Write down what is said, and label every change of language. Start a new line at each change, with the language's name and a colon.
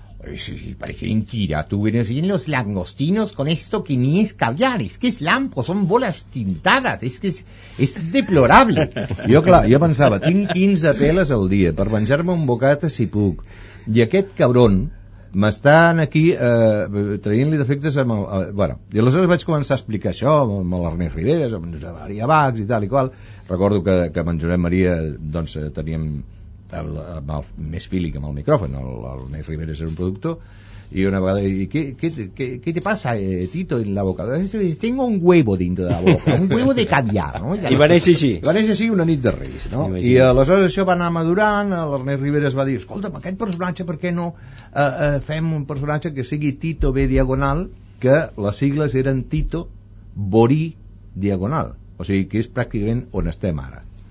Spanish: Parece mentira, tú vienes y en los langostinos con esto que ni es caviar, es que es lampo, son bolas tintadas, es que es deplorable.
Catalan: Jo, clar, jo pensava, tinc 15 peles al dia per menjar-me un bocata si puc, i aquest cabron m'està aquí traient-li defectes amb el... bueno, i aleshores vaig començar a explicar això amb l'Ernest Riberes, amb Josep Maria Bax i tal i qual. Recordo que amb en Josep Maria, doncs, teníem el més fílic amb el micròfon, el Ernest Rivera és un productor, i una vegada, què te passa, Tito, en la boca?
Spanish: Tengo un huevo dentro de la boca, un huevo de caviar, no?
Catalan: I va néixer així. Va néixer així una nit de Reis, no? I aleshores això va anar madurant, l'Ernest Rivera es va dir, escolta'm, aquest personatge, per què no fem un personatge que sigui Tito B Diagonal, que les sigles eren Tito Borí Diagonal, o sigui, que és pràcticament on estem ara.